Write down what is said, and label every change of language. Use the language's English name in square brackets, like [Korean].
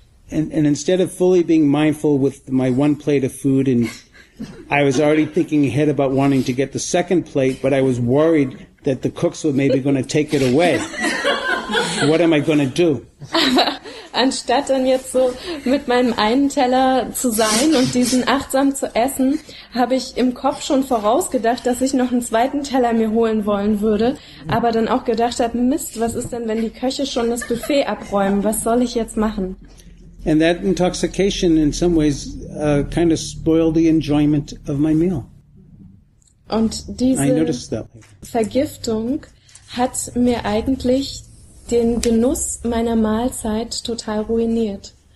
[English] And instead of fully being mindful with my one plate of food, and I was already thinking ahead about wanting to get the second plate, but I was worried that the cooks were maybe going to take it away. What am I going to do? [German] Anstatt dann jetzt so mit meinem einen Teller zu sein und diesen achtsam zu essen, habe ich im Kopf schon vorausgedacht, dass ich noch einen zweiten Teller mir holen wollen würde, aber dann auch gedacht habe, Mist, was ist denn, wenn die Köche schon das Buffet abräumen? Was soll ich jetzt machen? [English] And that intoxication in some ways kind of spoiled the enjoyment of my meal. [German] Und diese Vergiftung hat mir eigentlich den Genuss meiner Mahlzeit total ruiniert.